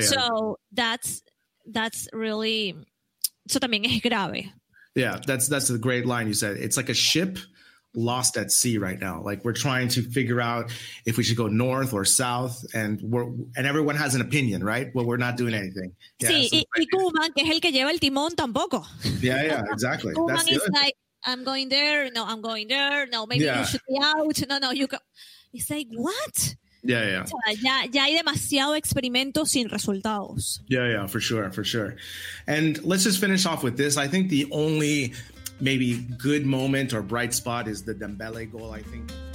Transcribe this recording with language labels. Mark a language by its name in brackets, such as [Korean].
[English] So that's really, [Spanish] eso también es grave. [English] Yeah, that's a great line you said. It's like a ship lost at sea right now. Like, we're trying to figure out if we should go north or south, and everyone has an opinion, right? Well, we're not doing anything. [Spanish] Sí, y Koeman, que es el que lleva el timón, tampoco. [English] Yeah, exactly. Koeman is like, I'm going there. No, maybe you should be out. No, you go. It's like, what? [Spanish] Ya hay demasiado experimento sin resultados. [English] Yeah, for sure. And let's just finish off with this. I think the only maybe good moment or bright spot is the Dembele goal, I think.